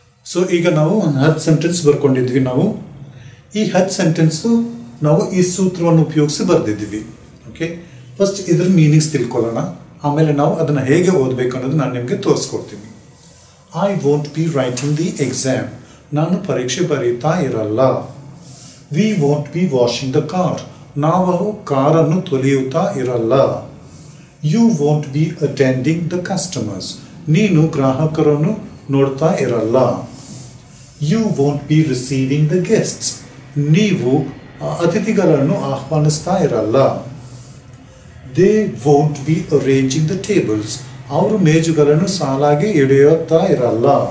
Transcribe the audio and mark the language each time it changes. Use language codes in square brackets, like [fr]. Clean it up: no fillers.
[kn] So ಈಗ ನಾವು ಒಂದು 10 ಸೆಂಟೆನ್ಸ್ ಬರ್ಕೊಂಡಿದ್ವಿ. ನಾವು ಈ 10 ಸೆಂಟೆನ್ಸ್ ನಾವು ಈ ಸೂತ್ರವನ್ನು ಉಪಯೋಗಿಸಿ ಬರೆದಿದ್ದೀವಿ. ಓಕೆ, ಫಸ್ಟ್ ಇದ್ರ ಮೀನಿಂಗ್ಸ್ ತಿಳ್ಕೊಳ್ಳೋಣ, ಆಮೇಲೆ ನಾವು ಅದನ್ನು ಹೇಗೆ ಓದಬೇಕು ಅನ್ನೋದು ನಾನು ನಿಮಗೆ ತೋರಿಸ್ಕೊಡ್ತೀನಿ. [en] I won't be writing the exam. [kn] ನಾನು ಪರೀಕ್ಷೆ ಬರೀತಾ ಇರಲ್ಲ. [en] We won't be washing the car. [kn] ನಾವು ಕಾರನ್ನು ತೊಳೆಯುತ್ತಾ ಇರಲ್ಲ. [en] you want be attending the customers, [kn] ನೀನು ಗ್ರಾಹಕರನ್ನು ನೋಡ್ತಾ ಇರಲ್ಲ. [en] you want be receiving the guests, [kn] ನೀವು ಅತಿಥಿಗಳನ್ನು ಆಹ್ವಾನಿಸ್ತಾ ಇರಲ್ಲ. [en] they want be arranging the tables, [kn] ಅವರು ಮೇಜುಗಳನ್ನು ಸಾಲಾಗಿ ಇಡಿಯುತ್ತಾ ಇರಲ್ಲ.